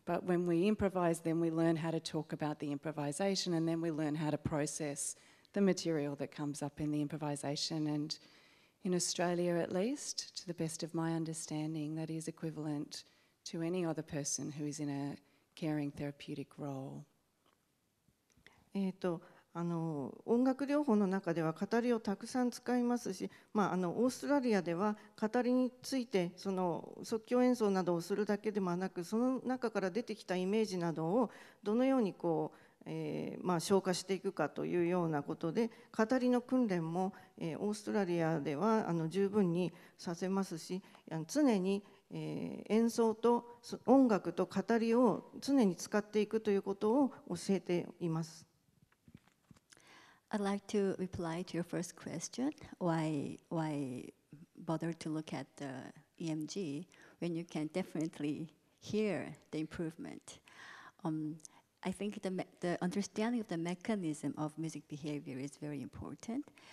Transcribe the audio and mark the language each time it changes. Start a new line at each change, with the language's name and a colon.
English: But when we improvise, then we learn how to talk about the improvisation, and then we learn how to process the material that comes up in the improvisation. And in Australia, at least, to the best of my understanding, that is equivalent to any other person who is in a caring therapeutic role.
Japanese: 音楽療法の中では語りをたくさん使いますし、オーストラリアでは語りについてその即興演奏などをするだけではなく、その中から出てきたイメージなどをどのようにこう、消化していくかというようなことで、語りの訓練も、オーストラリアでは十分にさせますし、常に演奏と音楽と語りを常に使っていくということを教えています。
English: I'd like to reply to your first question, why bother to look at the EMG when you can definitely hear the improvement. I think the understanding of the mechanism of music behavior is very important.